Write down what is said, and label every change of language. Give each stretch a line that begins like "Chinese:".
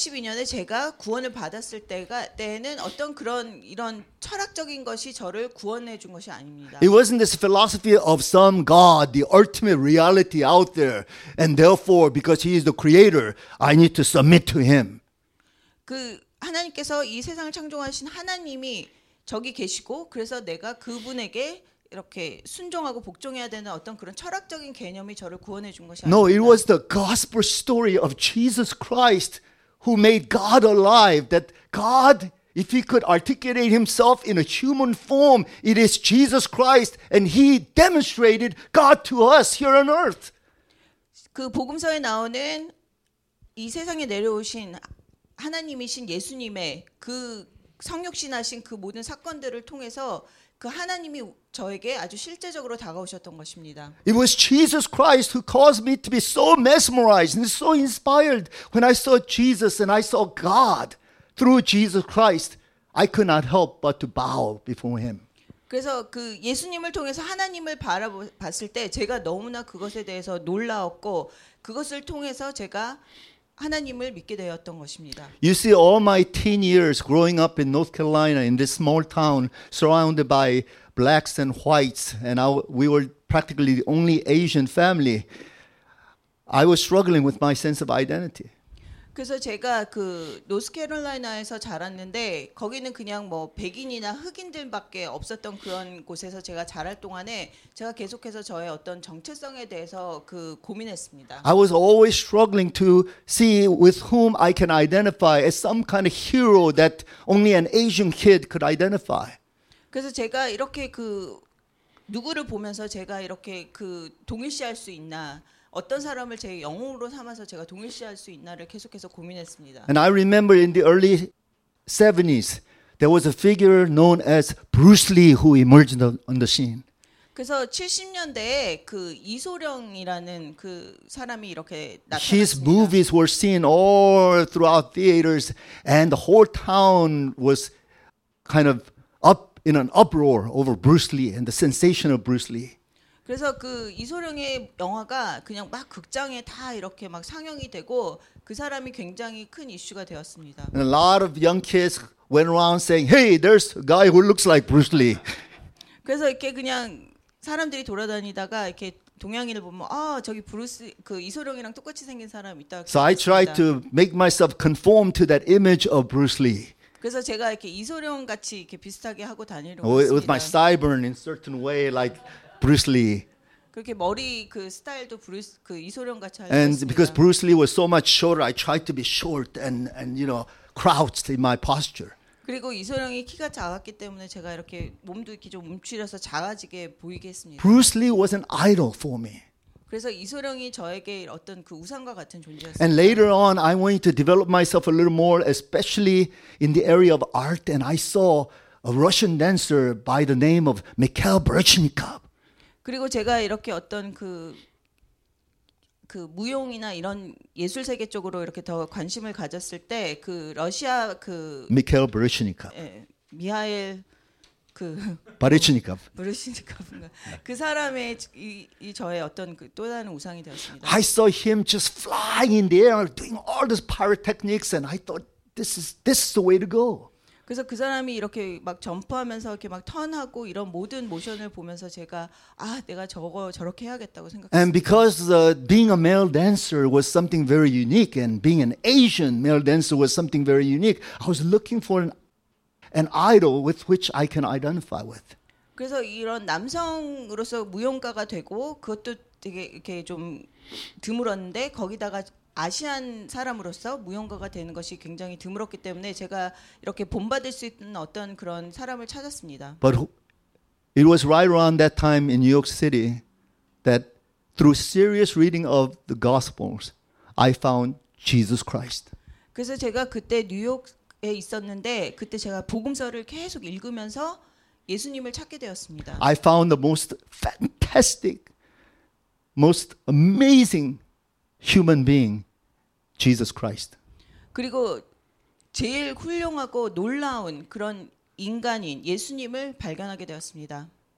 Korean: 그 1982년에 제가 구원을 받았을 때에는 어떤 그런 이런 철학적인 것이 저를 구원해 준 것이 아닙니다.
English: It wasn't this philosophy of some God, the ultimate reality out there, and therefore because he is the creator, I need to submit to him.
Korean: 그 하나님께서 이 세상을 창조하신 하나님이 저기 계시고 그래서 내가 그분에게 이렇게 순종하고 복종해야 되는 어떤 그런 철학적인 개념이 저를 구원해 준 것이 아닙니다.
English: No, it was the gospel story of Jesus Christ who made God alive. That God, if he could articulate himself in a human form, it is Jesus Christ and he demonstrated God to us here on earth.
Korean: 그 복음서에 나오는 이 세상에 내려오신 하나님이신 예수님의 그 성육신하신 그 모든 사건들을 통해서 그 하나님이 저에게 아주 실제적으로 다가오셨던 것입니다.
English: It was Jesus Christ who caused me to be so mesmerized and so inspired when I saw Jesus and I saw God through Jesus Christ. I could not help but to bow before him.
Korean: 그래서 그 예수님을 통해서 하나님을 바라봤을 때 제가 너무나 그것에 대해서 놀라웠고 그것을 통해서 제가 하나님을 믿게 되었던 것입니다.
English: You see, all my teen years growing up in North Carolina in this small town surrounded by blacks and whites and we were practically the only Asian family, I was struggling with my sense of identity.
Korean: 그래서 제가 그 노스캐롤라이나에서 자랐는데 거기는 그냥 뭐 백인이나 흑인들밖에 없었던 그런 곳에서 제가 자랄 동안에 제가 계속해서 저의 어떤 정체성에 대해서 그 고민했습니다.
English: I was always struggling to see with whom I can identify as some kind of hero that only an Asian kid could identify.
Korean: 그래서 제가 이렇게 그 누구를 보면서 제가 이렇게 그 동일시할 수 있나 어떤 사람을 제 영웅으로 삼아서 제가 동일시할 수 있나를 계속해서 고민했습니다.
English: And I remember in the early 70s, there was a figure known as Bruce Lee who emerged on the scene.
Korean: 그래서 70년대에 그 이소룡이라는 그 사람이 이렇게 나타났습니다.
English: His movies were seen all throughout theaters, and the whole town was kind of up in an uproar over Bruce Lee and the sensation of Bruce Lee.
Korean: 그래서 그 이소룡의 영화가 그냥 막 극장에 다 이렇게 막 상영이 되고 그 사람이 굉장히 큰 이슈가 되었습니다.
English: And a lot of young kids went around saying, "Hey, there's a guy who looks like Bruce Lee."
Korean: 그래서 이렇게 그냥 사람들이 돌아다니다가 이렇게 동양인을 보면 아, 저기 브루스 그 이소룡이랑 똑같이 생긴 사람 있다.
English: So I tried to make myself conform to that image of Bruce Lee.
Korean: 그래서 제가 이렇게 이소룡 같이 이렇게 비슷하게 하고 다니려고 했습니다.
English: With my sideburn in certain way like Bruce Lee.
Korean: 그렇게 머리 그 스타일도 브루스 그 이소룡 같이 하려고 했습니다.
English: And because Bruce Lee was so much shorter, I tried to be short and you know, crouched in my posture.
Korean: 그리고 이소룡이 키가 작았기 때문에 제가 이렇게 몸도 이렇게 좀 움츠려서 작아지게 보이게 했습니다.
English: Bruce Lee was an idol for me.
Korean: 그래서 이소룡이 저에게 어떤 그 우상과 같은 존재였어요.
English: And later on I wanted to develop myself a little more especially in the area of art and I saw a Russian dancer by the name of Mikhail Baryshnikov.
Korean: 그리고 제가 이렇게 어떤 그 무용이나 이런 예술 세계 쪽으로 이렇게 더 관심을 가졌을 때 그 러시아 그 미하일 바르시니카프 예, 미하일 그 바르시니카프 바르시니카프 그 사람의 이 저의 어떤 그 또 다른 우상이 되었습니다.
English: I saw him just flying in the air doing all these pyrotechnics and I thought this is the way to go.
Korean: 그래서 그 사람이 이렇게 막 점프하면서 이렇게 막 턴하고 이런 모든 모션을 보면서 제가 아 내가 저거 저렇게 해야겠다고 생각했습니다.
English: And because being a male dancer was something very unique and being an Asian male dancer was something very unique, I was looking for an idol with which I can identify with.
Korean: 그래서 이런 남성으로서 무용가가 되고 그것도 되게 이렇게 좀 드물었는데 거기다가 아시안 사람으로서 무용가가 되는 것이 굉장히 드물었기 때문에 제가 이렇게 본받을 수 있는 어떤 그런 사람을 찾았습니다.
English: But it was right around that time in New York City that through serious reading of the Gospels, I found Jesus Christ.
Korean: 그래서 제가 그때 뉴욕에 있었는데 그때 제가 복음서를 계속 읽으면서 예수님을 찾게 되었습니다.
English: I found the most fantastic, most amazing human being, Jesus Christ.
Korean: 그리고 제일 훌륭하고 놀라운 그런 인간인 예수님을 발견하게 되었습니다.